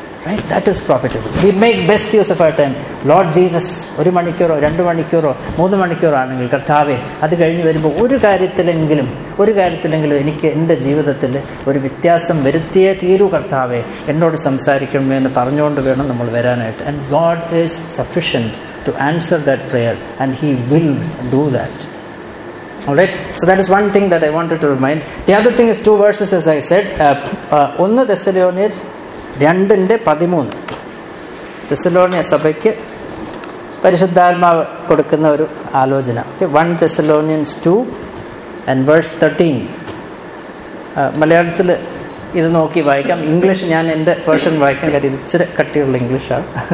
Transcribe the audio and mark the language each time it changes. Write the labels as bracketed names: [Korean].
[English] Right, that is profitable. We make best use of our time. Lord Jesus, [Malayalam] ഒരു മണിക്കൂറോ രണ്ട് മണിക്കൂറോ മൂന്ന് മണിക്കൂറോ ആണെങ്കിൽ കർത്താവെ, അത് കഴിഞ്ഞ് വരുമ്പോൾ ഒരു കാര്യത്തിലെങ്കിലും എനിക്ക് എൻ്റെ ജീവിതത്തിൽ ഒരു വ്യത്യാസം വരുത്തിയേ തീരൂ കർത്താവെ, എന്നോട് സംസാരിക്കണമേ എന്ന് പറഞ്ഞുകൊണ്ട് വേണം നമ്മൾ വരാനായിട്ട്. [English] And God is sufficient to answer that prayer, and He will do that. All right, so that is one thing that I wanted to remind. The other thing is two verses, as I said. [Malayalam] ഒന്ന് തെസ്സലോനിയർ 2:13, തെസ്സലോണിയ സഭയ്ക്ക് പരിശുദ്ധാത്മാവ് കൊടുക്കുന്ന ഒരു ആലോചന. [English] Okay, 1 Thessalonians 2:13. [Malayalam] മലയാളത്തിൽ ഇത് നോക്കി വായിക്കാം, ഇംഗ്ലീഷ് ഞാൻ എൻ്റെ വേർഷൻ വായിക്കാൻ കാര്യം, ഇത് ഇച്ചിരി കട്ടിയുള്ള ഇംഗ്ലീഷാണ്.